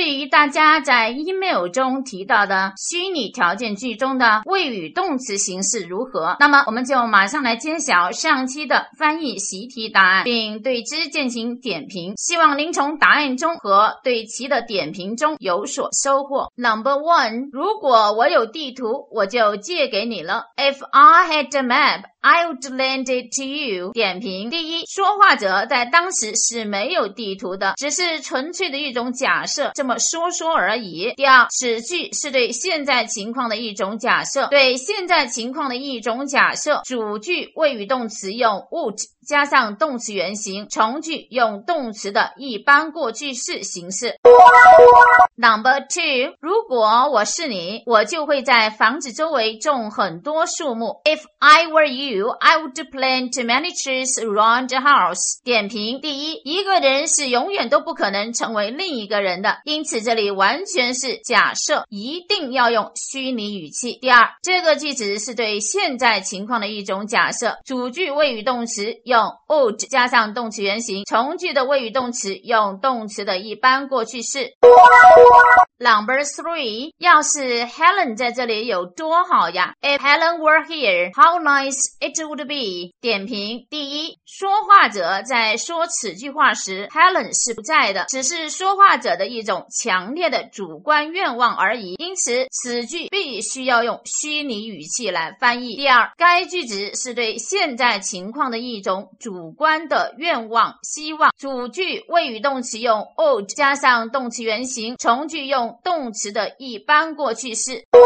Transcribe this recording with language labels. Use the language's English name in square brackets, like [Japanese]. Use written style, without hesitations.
[Chinese] 大家在 email 中提到的虚拟条件句中的谓语动词形式如何？那么我们就马上来揭晓上期的翻译习题答案，并对之进行点评。希望您从答案中和对其的点评中有所收获。 [English] Number one, [Chinese] 如果我有地图，我就借给你了。 [English] If I had a map,I would lend it to you. [Chinese] 点评：第一，说话者在当时是没有地图的，只是纯粹的一种假设，这么说说而已。第二，此句是对现在情况的一种假设，对现在情况的一种假设。主句谓语动词用 would 加上动词原形，从句用动词的一般过去式形式。 [English] Number two, [Chinese] 如果我是你，我就会在房子周围种很多树木。 [English] If I were you, I would plant many trees around the house. [Chinese] 点评：第一，一个人是永远都不可能成为另一个人的，因此这里完全是假设，一定要用虚拟语气。第二，这个句子是对现在情况的一种假设，主句谓语动词用 would 加上动词原形，从句的谓语动词用动词的一般过去式。 [English] Number three, [Chinese] 要是 Helen 在这里有多好呀。 [English] If Helen were here, how nice it would be. [Chinese] 点评：第一，说话者在说此句话时 Helen 是不在的，只是说话者的一种强烈的主观愿望而已，因此此句必须要用虚拟语气来翻译。第二，该句子是对现在情况的一种主观的愿望希望，主句谓语动词用 would 加上动词原形，从句用动词的一般过去式。